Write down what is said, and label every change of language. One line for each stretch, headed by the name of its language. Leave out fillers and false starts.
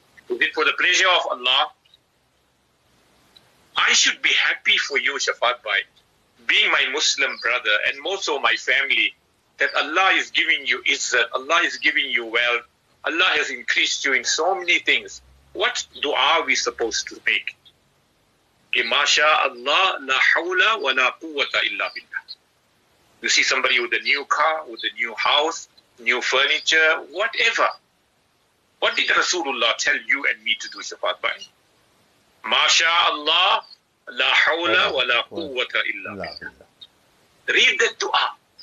English: Is it for the pleasure of Allah? I should be happy for you, Shaafat Bhai, being my Muslim brother and more so my family, that Allah is giving you izzat, Allah is giving you wealth, Allah has increased you in so many things. What dua are we supposed to make?
Arabic: Okay, ما شاء الله لا حول ولا قوة إلا بالله.
English: You see somebody with a new car, with a new house, new furniture, whatever. What did Rasulullah tell you and me to do, Shaafat Bhai? Masha Allah, la hawla wa la quwwata illa billah. Read that dua.